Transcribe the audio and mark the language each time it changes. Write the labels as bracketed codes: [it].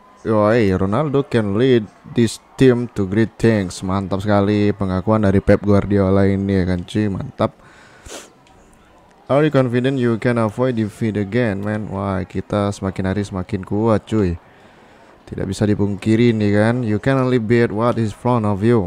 [en] Yoi, Ronaldo can lead this team to great things. [id] Mantap sekali pengakuan dari Pep Guardiola ini ya kan cuy, mantap. [en] Are you confident you can avoid defeat again, man? [id] Wah, kita semakin hari semakin kuat cuy. Tidak bisa dipungkiri nih kan. [en] You can only beat what is in front of you.